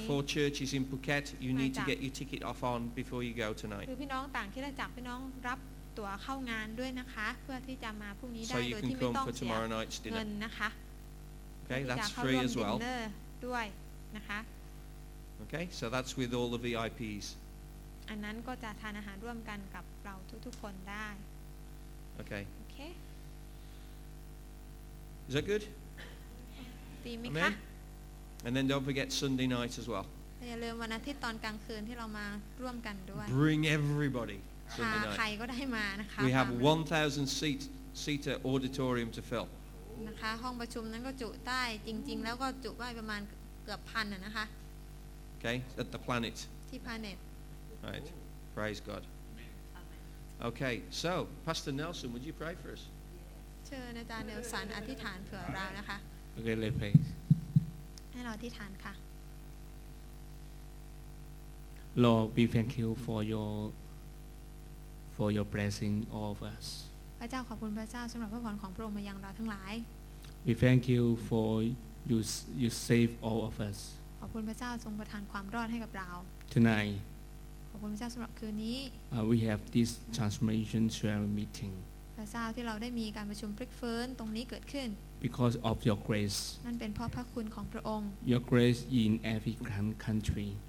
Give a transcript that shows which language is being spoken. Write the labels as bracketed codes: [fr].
[en] four churches in Phuket you need to get your ticket off on before you go tonight. [th] คือพี่น้องต่างคิดจากพี่น้องรับตัวเข้างานด้วยนะคะเพื่อที่จะมาพรุ่งนี้ได้โดยที่ไม่ต้องเสียเงินนะคะ โอเคจะเข้าร่วมดินเนอร์ด้วยนะคะ [en] โอเค so that's with all the VIPs [th] อันนั้นก็จะทานอาหารร่วมกันกับเราทุกๆคนได้โอเค โอเค [en] Is that good [th] ดีไหมคะ [en] And then don't forget Sunday night as well [th] อย่าลืมวันอาทิตย์ตอนกลางคืนที่เรามาร่วมกันด้วย [en] Bring everybody [th] ใครก็ได้มานะคะ [en] We have 1,000 seater auditorium to fill [th] นะคะห้องประชุมนั้นก็จุได้จริงๆแล้วก็จุได้ประมาณเกือบพันนะคะ [en] Okay at the planet [th] ที่ planet [en] Right praise God Okay so Pastor Nelson would you pray for us [th] เชิญอาจารย์เนลสันอธิษฐานเผื่อเรานะคะ โอเคเลยเพล งให้เราอธิษฐานค่ะ [en] Lord we thank you for yourfor your blessing all of us [th] พระเจ้าขอบคุณพระเจ้าสําหรับพระพรของพระองค์มายังเราทั้งหลาย [en] We thank you for you save all of us. [th] ขอบคุณพระเจ้าทรงประทานความรอดให้กับเรา [en] Tonight. [th] ขอบคุณพระเจ้าสำหรับคืนนี้ [en] We have this transformation sharing meeting. [th] พระเจ้าที่เราได้มีการประชุมพลิกฟื้นตรงนี้เกิดขึ้น [en] Because of your grace. [th] นั่นเป็นเพราะพระคุณของพระองค์ [en] Your grace in every country.